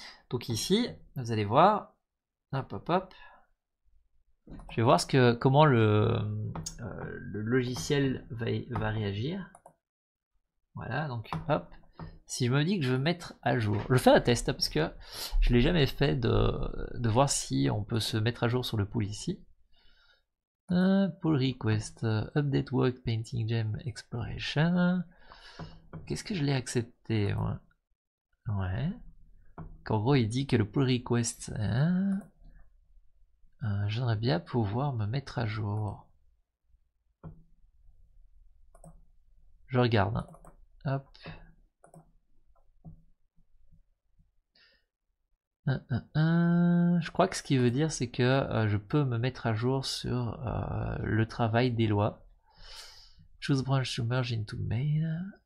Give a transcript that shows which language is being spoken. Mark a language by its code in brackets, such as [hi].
[fr] Donc ici, vous allez voir. Hop, hop, hop. Je vais voir ce que, comment le logiciel va réagir. Voilà, donc hop. si je me dis que je veux mettre à jour, je fais un test parce que je l'ai jamais fait de voir si on peut se mettre à jour sur le pool ici. [en] Pull request, update work, painting gem, exploration. [fr] Qu'est-ce que je l'ai accepté, moi? Ouais. Qu'en gros, il dit que le pull request, hein, j'aimerais bien pouvoir me mettre à jour. Je regarde. Hop. Je crois que ce qu'il veut dire, c'est que je peux me mettre à jour sur le travail des lois. [en] Choose branch to merge into main.